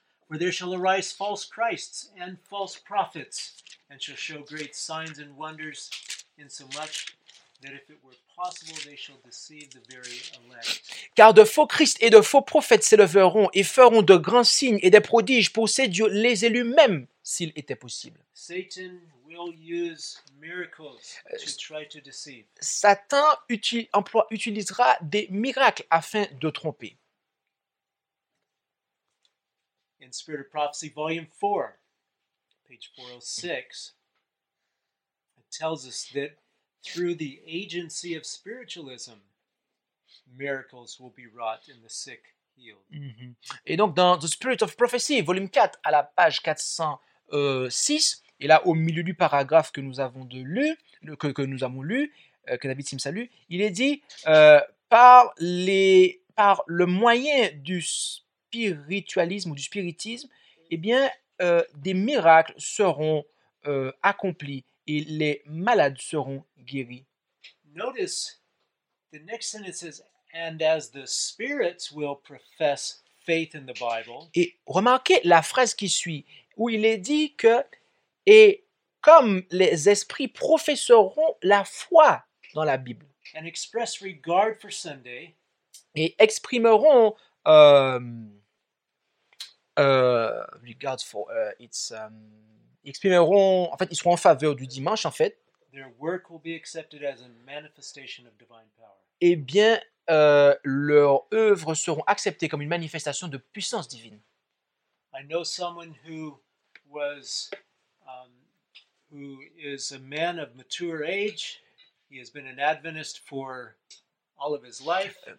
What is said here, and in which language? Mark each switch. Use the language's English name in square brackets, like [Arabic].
[English] For there shall arise false Christs and false prophets, and shall show great signs and wonders, insomuch that if it were possible, they shall deceive the very elect. [French] Car de faux Christ et de faux prophètes s'éleveront et feront de grands signes et des prodiges pour séduire les élus même, s'il était possible. [English] Satan will use miracles to try to deceive. [French] Satan utilisera des miracles afin de tromper. [English] In Spirit of Prophecy, volume 4, page 406, it tells us that through the agency of spiritualism, miracles will be wrought and the sick healed. Mm-hmm. [French] Et donc dans The Spirit of Prophecy, volume 4, à la page 406, et là au milieu du paragraphe que nous avons de lu, que David Sims a lu, il est dit par le moyen du spiritualisme ou du spiritisme, eh bien des miracles seront accomplis et les malades seront guéris. [English] Notice the next sentence is, and as the spirits will profess faith in the Bible. [French] Et remarquez la phrase qui suit où il est dit que et comme les esprits professeront la foi dans la Bible. [English] And express regard for Sunday. [French] Et exprimeront [English] regard for it's [French] exprimeront en fait ils seront en faveur du dimanche en fait. [English] Their work will be accepted as a manifestation of divine power. [French] Eh bien, leurs œuvres seront acceptées comme une manifestation de puissance divine. [English] I know someone who was who is a man of mature age. He has been an Adventist for all of his life.